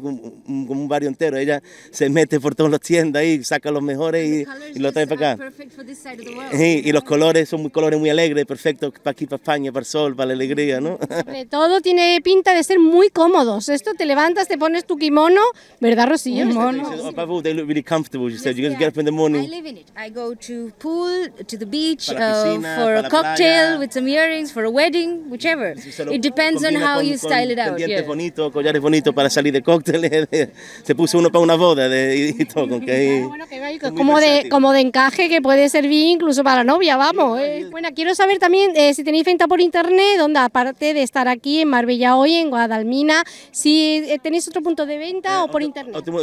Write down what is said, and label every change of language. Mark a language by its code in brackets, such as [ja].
[es] Como un barrio entero. Ella se mete por todas las tiendas y saca los mejores y los trae para acá. Y los colores son muy, colores muy alegres, perfectos para aquí, para España, para el sol, para la alegría, ¿no? Sobre todo tiene pinta de ser muy cómodos. Esto te levanta, te pones tu kimono, ¿verdad, Rocío? [en] Oh, above all, they look really comfortable. She said, "You're gonna get up in the morning." I live in it. I go to pool, to the beach, for a cocktail with some earrings, for a wedding, whichever. It depends on how you style it out. [es] Pendientes bonitos, collares bonitos para salir de cócteles. Se puso uno para una boda de y todo, ¿ok? Como de encaje que puede servir incluso para la novia, vamos. Bueno, quiero saber también si tenéis venta por internet, donde aparte de estar aquí en Marbella hoy, en Guadalmina, si ¿tenéis otro punto de venta o por internet?